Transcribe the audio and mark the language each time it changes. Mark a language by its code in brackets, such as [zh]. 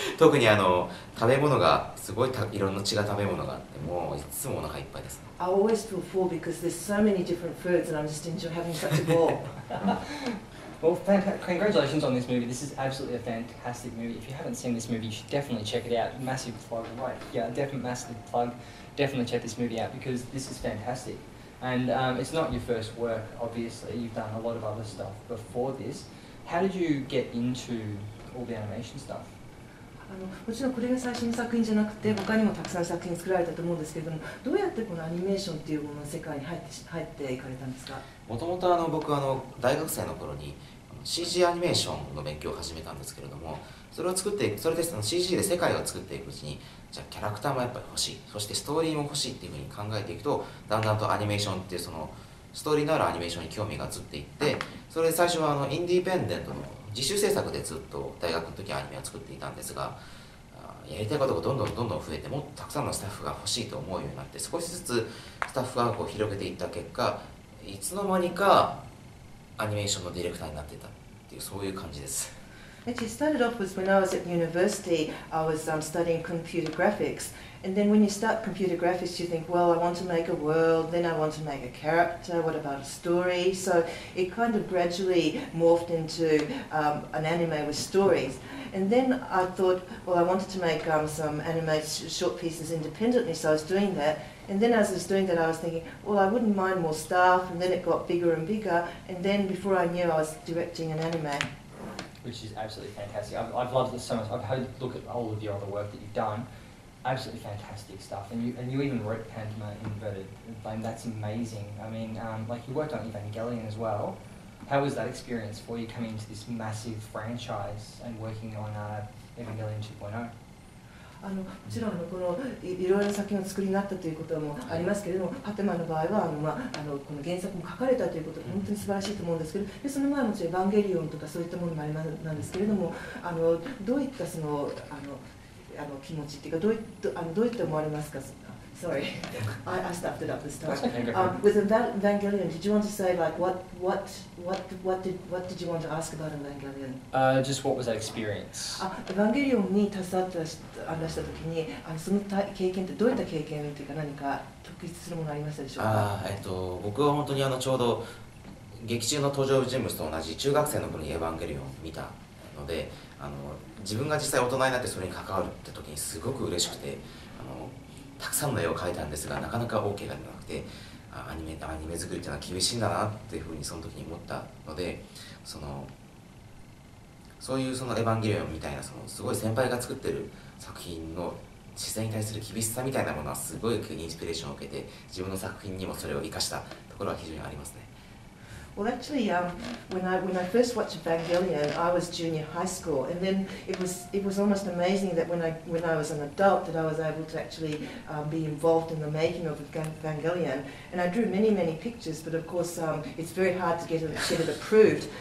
[ja] 特にあの食べ物がすごいいろんな違う食べ物があってもういつもお腹いっぱいです。 [en] I always feel full because there's so many different foods and I'm just enjoying having such a ball. Well, congratulations on this movie. This is absolutely a fantastic movie. If you haven't seen this movie, you should definitely check it out. Massive plug, right? Yeah, definitely massive plug. Definitely check this movie out because this is fantastic. And it's not your first work, obviously. You've done a lot of other stuff before this. How did you get into all the animation stuff? [ja] もちろんこれが最新の作品じゃなくて他にもたくさん作品作られたと思うんですけれどもどうやってこのアニメーションっていうものの世界に入っていかれたんですか？もともと僕は大学生の頃に CG アニメーションの勉強を始めたんですけれどもそれで CG で世界を作っていくうちにじゃあキャラクターもやっぱり欲しいそしてストーリーも欲しいっていうふうに考えていくとだんだんとアニメーションっていうそのストーリーのあるアニメーションに興味が移っていってそれで最初はインディペンデントの自主制作でずっと大学の時アニメを作っていたんですがやりたいことがどんどんどんどん増えてもっとたくさんのスタッフが欲しいと思うようになって少しずつスタッフワークを広げていった結果いつの間にかアニメーションのディレクターになっていたっていうそういう感じです。 [en] It started off was when I was at university, I was studying computer graphics. And then when you start computer graphics, you think, well, I want to make a world, then I want to make a character, what about a story? So it kind of gradually morphed into an anime with stories. And then I thought, well, I wanted to make some anime short pieces independently, so I was doing that. And then as I was doing that, I was thinking, well, I wouldn't mind more staff, and then it got bigger and bigger. And then before I knew, I was directing an anime. Which is absolutely fantastic. I've loved this so much. I've had a look at all of your other work that you've done. Absolutely fantastic stuff. And you even wrote Pantoma Inverted. And that's amazing. I mean, you worked on Evangelion as well. How was that experience for you coming into this massive franchise and working on Evangelion 2.0? [ja] もちろんこのいろいろ作品を作りになったということもありますけれども、はい、パテマの場合はこの原作も書かれたということが本当に素晴らしいと思うんですけど、でその前もちろんエヴァンゲリオンとかそういったものもありますなんですけれども、どういったその気持ちっていうかどういった思われますか。 [en] Sorry, I stopped it up this time. With Evangelion, did you want to say what did you want to ask about Evangelion? Just what was that experience? [ja] Evangelion に携わった出した時に、その経験ってどういった経験というか何か特筆するものありましたでしょうか。僕は本当にちょうど劇中の登場人物と同じ中学生の頃にエヴァンゲリオンを見たので、自分が実際大人になってそれに関わるって時にすごく嬉しくて、たくさんの絵を描いたんですがなかなか OK が出なくてアニメ作りというのは厳しいんだなっていうふうにその時に思ったのでそういうエヴァンゲリオンみたいなそのすごい先輩が作ってる作品の自然に対する厳しさみたいなものはすごいインスピレーションを受けて自分の作品にもそれを生かしたところは非常にありますね。 [en] Well, actually, when I first watched Evangelion, I was junior high school, and then it was almost amazing that when I was an adult that I was able to actually be involved in the making of Evangelion. And I drew many, many pictures, but of course, it's very hard to get it approved.